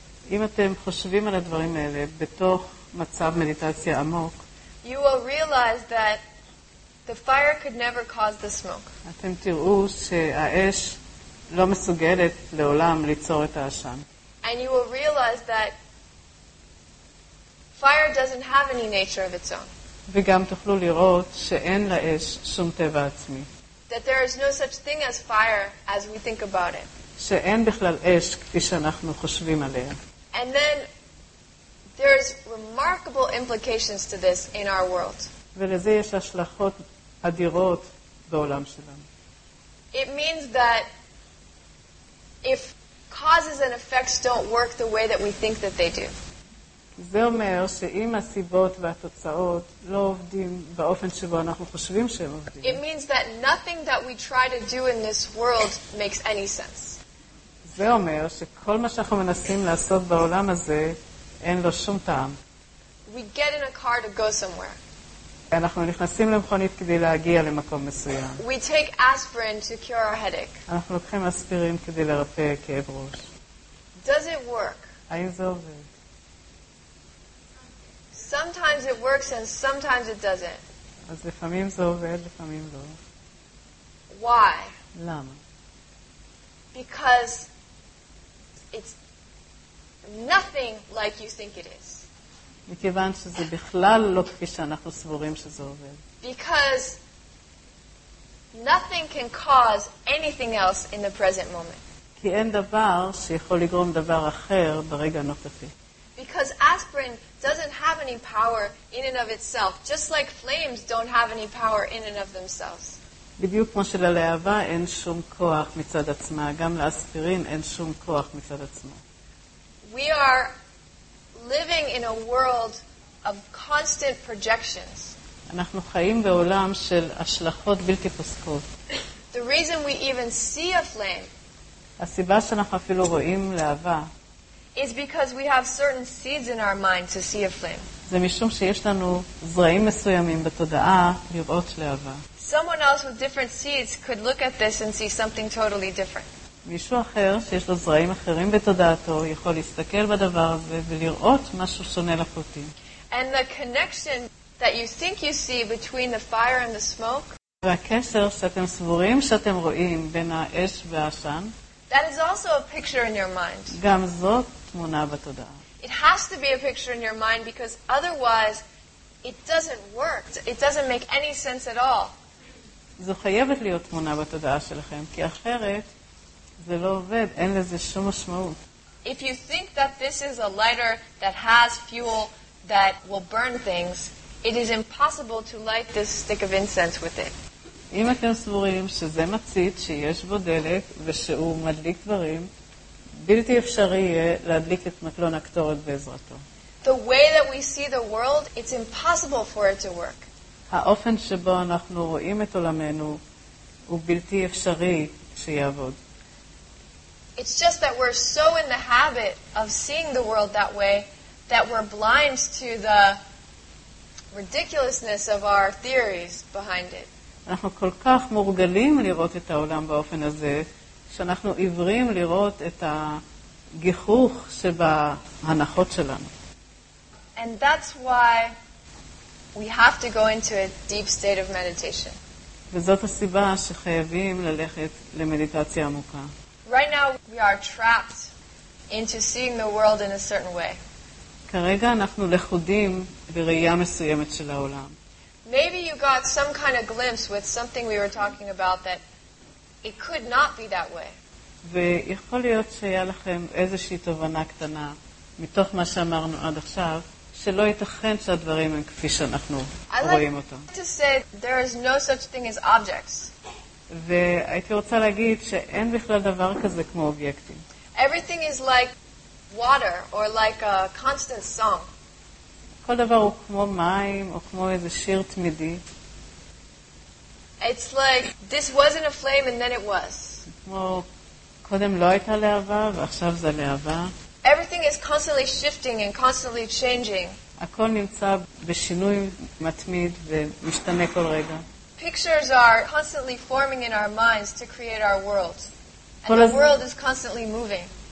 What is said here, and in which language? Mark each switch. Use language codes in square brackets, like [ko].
[he] אם אתם חושבים על הדברים האלה בתוך מצב מדיטציה עמוק, [en] you will realize that the fire could never cause the smoke. [he] אתם תראו שהאש לא מסוגלת לעולם ליצור את העשן. [en] And you will realize that fire doesn't have any nature of its own. [he] וגם תוכלו לראות שאין לאש שום טבע עצמי. [en] That there is no such thing as fire as we think about it. [he] שאין בכלל אש כפי שאנחנו חושבים עליה. [en] And then there's remarkable implications to this in our world. [he] ולזה יש השלכות אדירות בעולם שלנו. [en] It means that if causes and effects don't work the way that we think that they do. [he] זה אומר שאם הסיבות והתוצאות לא עובדים באופן שבו אנחנו חושבים שהם עובדים. [en] It means that nothing that we try to do in this world makes any sense. [he] זה אומר שכל מה שאנחנו מנסים לעשות בעולם הזה אין לו שום טעם. [en] We get in a car to go somewhere. [he] אנחנו נכנסים למכונית כדי להגיע למקום מסוים. [en] We take aspirin to cure our headache. [he] אנחנו לוקחים אספירין כדי לרפא כאב ראש. [en] Does it work? [he] האם זה עובד? [en] Sometimes it works and sometimes it doesn't. [he] אז לפעמים זה עובד, לפעמים לא. [en] Why? [he] למה? [en] Because it's nothing like you think it is. [he] מכיוון שזה בכלל לא כפי שאנחנו סבורים שזה עובד. [en] Because nothing can cause anything else in the present moment. [he] כי אין דבר שיכול לגרום דבר אחר ברגע הנוכחי. [en] Because aspirin doesn't have any power in and of itself, just like flames don't have any power in and of themselves. [he] בדיוק כמו שללהבה אין שום כוח מצד עצמה, גם לאספירין אין שום כוח מצד עצמו. [en] We are living in a world of constant projections. [he] אנחנו חיים בעולם של השלכות בלתי פוסקות. [en] The reason we even see a flame, [he] הסיבה שאנחנו אפילו רואים להבה, [en] is because we have certain seeds in our mind to see a flame. [he] זה משום שיש לנו זרעים מסוימים בתודעה לראות להבה. [en] Someone else with different seeds could look at this and see something totally different. [he] מישהו אחר שיש לו זרעים אחרים בתודעתו יכול להסתכל בדבר הזה ולראות משהו שונה לחלוטין. [en] And the connection that you think you see between the fire and the smoke, [he] והקשר שאתם סבורים שאתם רואים בין האש והעשן, [en] that is also a picture in your mind. [he] גם זאת תמונה בתודעה. [en] It has to be a picture in your mind because otherwise it doesn't work. It doesn't make any sense at all. [he] זו חייבת להיות תמונה בתודעה שלכם, כי אחרת זה לא עובד, אין לזה שום משמעות. [en] If you think that this is a lighter that has fuel that will burn things, it is impossible to light this stick of incense with it. [he] אם אתם סבורים שזה מצית שיש בו דלק ושהוא מדליק דברים, בלתי אפשרי יהיה להדליק את מקלון הקטורת בעזרתו. [en] The way that we see the world, it's impossible for it to work. [he] האופן שבו אנחנו רואים את עולמנו הוא בלתי אפשרי שיעבוד. [en] It's just that we're so in the habit of seeing the world that way that we're blind to the ridiculousness of our theories behind it. [he] אנחנו כל כך מורגלים לראות את העולם באופן הזה שאנחנו עיוורים לראות את הגיחוך שבהנחות שלנו. [en] And that's why we have to go into a deep state of meditation. [he] וזאת הסיבה שחייבים ללכת למדיטציה עמוקה. [en] Right now we are trapped into seeing the world in a certain way. [he] כרגע אנחנו לכודים בראייה מסוימת של העולם. [en] Maybe you got some kind of glimpse with something we were talking about that it could not be that way. [he] ויכול להיות שהיה לכם איזושהי תובנה קטנה מתוך מה שאמרנו עד עכשיו שלא ייתכן שהדברים הם כפי שאנחנו רואים אותם. [en] I like to say there is no such thing as objects. [he] והייתי רוצה להגיד שאין בכלל דבר כזה כמו אובייקטים. [en] Everything is like water or like a constant song. [he] כל דבר הוא כמו מים או כמו איזה שיר תמידי. [en] It's like this wasn't a flame and then it was. [he] כמו קודם לא הייתה להבה ועכשיו זה להבה. [en] Everything is constantly shifting and constantly changing. [he] הכל נמצא בשינוי מתמיד ומשתנה כל רגע. [en] Pictures are constantly forming in our minds to create our world. And the world is constantly moving.